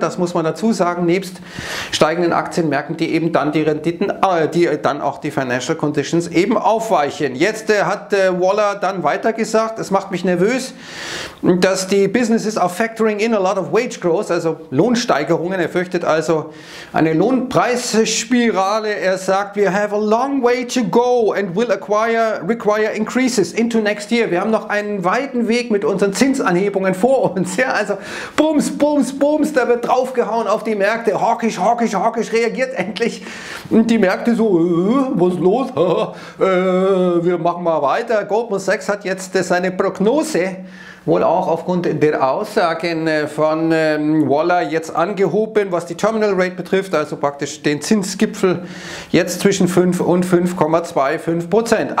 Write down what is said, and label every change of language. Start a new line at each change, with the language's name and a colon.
German: Das muss man dazu sagen, nebst steigenden Aktienmärkten, die eben dann die Renditen, die dann auch die Financial Conditions eben aufweichen. Jetzt hat Waller dann weiter gesagt, es macht mich nervös, dass die
English: Businesses are factoring in a lot of wage growth,
German: also Lohnsteigerungen. Er fürchtet also eine Lohnpreisspirale. Er sagt,
English: we have a long way to go and will require increases into next year.
German: Wir haben noch einen weiten Weg mit unseren Zinsanhebungen vor uns. Ja, also Bums, Bums, Bums, da wird draufgehauen auf die Märkte. Hawkisch, hawkisch, hawkisch reagiert endlich. Und die Märkte so, was ist los? Wir machen mal weiter. Goldman Sachs hat jetzt seine Prognose wohl auch aufgrund der Aussagen von Waller jetzt angehoben, was die Terminal Rate betrifft, also praktisch den Zinsgipfel jetzt zwischen 5 und 5,25%.